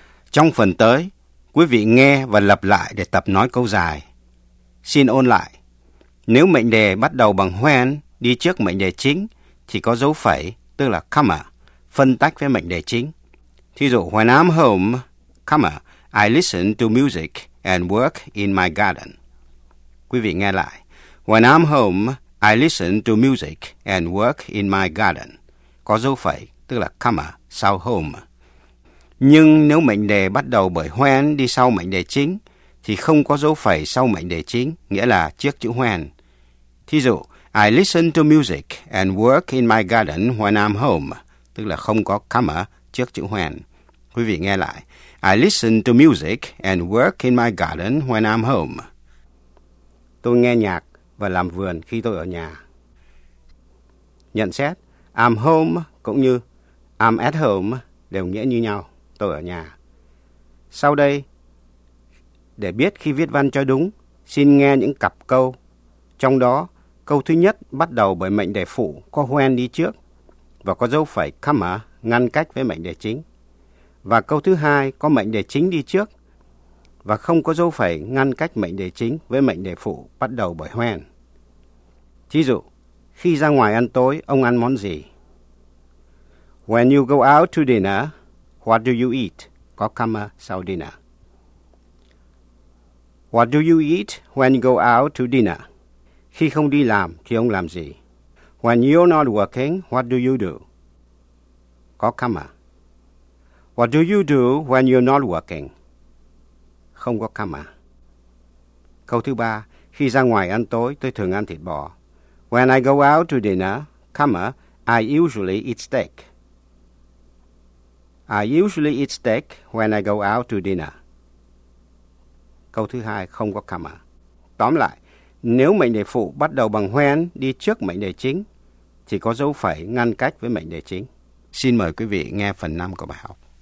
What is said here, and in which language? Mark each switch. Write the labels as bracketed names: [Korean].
[Vietnamese] Trong phần tới, quý vị nghe và lặp lại để tập nói câu dài. Xin ôn lại. Nếu mệnh đề bắt đầu bằng when đi trước mệnh đề chính, thì có dấu phẩy, tức là comma, phân tách với mệnh đề chính. Thí dụ, [English] when I'm home, comma, I listen to music and work in my garden. [Vietnamese] Quý vị nghe lại. [English] When I'm home, I listen to music and work in my garden. [Vietnamese] Có dấu phẩy, tức là comma, sau home. Nhưng nếu mệnh đề bắt đầu bởi when đi sau mệnh đề chính, thì không có dấu phẩy sau mệnh đề chính, nghĩa là trước chữ when. Thí dụ, [English] I listen to music and work in my garden when I'm home, [Vietnamese] tức là không có comma trước chữ when. Quý vị nghe lại. [English] I listen to music and work in my garden when I'm home. [Vietnamese] Tôi nghe nhạc và làm vườn khi tôi ở nhà. Nhận xét, [English] I'm home [Vietnamese] cũng như [English] I'm at home [Vietnamese] đều nghĩa như nhau, tôi ở nhà. Sau đây, để biết khi viết văn cho đúng, xin nghe những cặp câu. Trong đó, câu thứ nhất bắt đầu bởi mệnh đề phụ có when đi trước và có dấu phẩy comma ngăn cách với mệnh đề chính. Và câu thứ hai có mệnh đề chính đi trước và không có dấu phẩy ngăn cách mệnh đề chính với mệnh đề phụ bắt đầu bởi when. Thí dụ, khi ra ngoài ăn tối, ông ăn món gì? [English] When you go out to dinner, what do you eat? [Vietnamese] Có comma sau dinner. [English] What do you eat when you go out to dinner? [Vietnamese] Khi không đi làm, thì ông làm gì? [English] When you're not working, what do you do? [Vietnamese] Có comma. [English] What do you do when you're not working? [Vietnamese] Không có comma. Câu thứ ba, khi ra ngoài ăn tối, tôi thường ăn thịt bò. [English] When I go out to dinner, comma, I usually eat steak. I usually eat steak when I go out to dinner. [Vietnamese] Câu thứ hai, không có comma. Tóm lại, nếu mệnh đề phụ bắt đầu bằng when đi trước mệnh đề chính, thì có dấu phẩy ngăn cách với mệnh đề chính. Xin mời quý vị nghe phần 5 của bài học.